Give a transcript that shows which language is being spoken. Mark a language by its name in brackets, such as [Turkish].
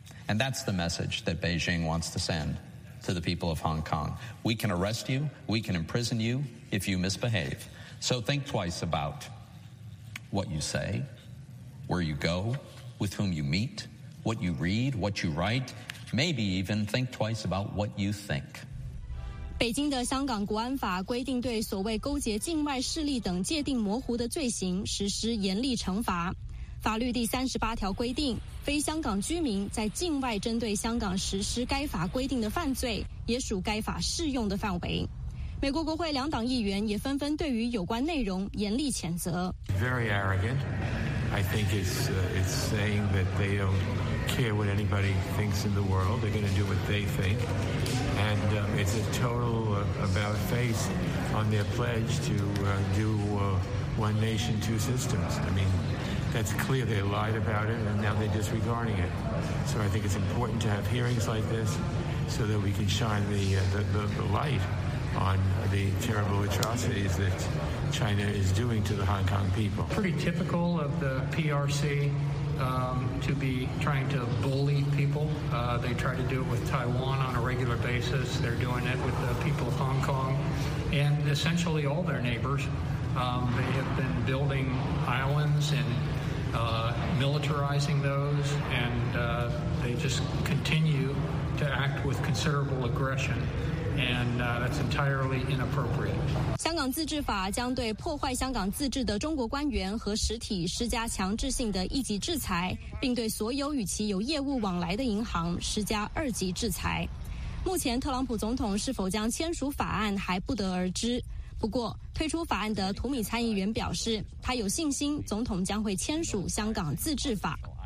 [English] And that's the message that Beijing wants to send to the people of Hong Kong. We can arrest you, we can imprison you if you misbehave. So think twice about what you say, where you go, with whom you meet, what you read, what you write. Maybe even think twice about what you think. [Chinese] 北京的香港国安法规定对所谓勾结境外势力等界定模糊的罪行实施严厉惩罚。法律第38条规定，非香港居民在境外针对香港实施该法规定的犯罪也属该法适用的范围。美国国会两党议员也纷纷对于有关内容严厉谴责。 [English] Very arrogant. I think it's saying that they don't care what anybody thinks in the world. They're going to do what they thinkAnd it's a total about face on their pledge to one nation, two systems. I mean, that's clear. They lied about it, and now they're disregarding it. So I think it's important to have hearings like this so that we can shine the light on the terrible atrocities that China is doing to the Hong Kong people. Pretty typical of the PRC. To be trying to bully people. They try to do it with Taiwan on a regular basis. They're doing it with the people of Hong Kong and essentially all their neighbors. They have been building islands and militarizing those, and they just continue to act with considerable aggression. And that's entirely inappropriate. [Chinese] 香港自治法将对破坏香港自治的中国官员和实体施加强制性的一级制裁，并对所有与其有业务往来的银行施加二级制裁。目前特朗普总统是否将签署法案还不得而知，不过推出法案的图米参议员表示，他有信心总统将会签署香港自治法。